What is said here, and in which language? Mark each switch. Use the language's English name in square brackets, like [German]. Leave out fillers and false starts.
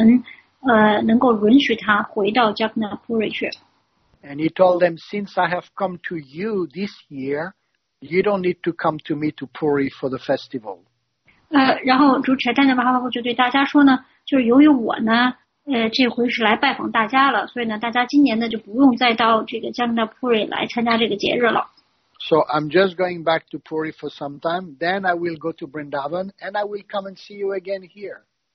[Chinese] 那么主Chaitanya Mahaprabhu呢,他这会儿呢就请求所有人能够允许他回到 Jagannath Puri去。 [English] And he told them, since I have come to you this year, you don't need to come to me to Puri for the festival. [Chinese] 然后主Chaitanya Mahaprabhu就对大家说呢,就是由于我呢, 这回是来拜访大家了,所以呢,大家今年呢,就不用再到这个江大普瑞来参加这个节日了。 [English] So I'm just going back to Puri for some time, then I will go to Vrindavan, and I will come and see you again here.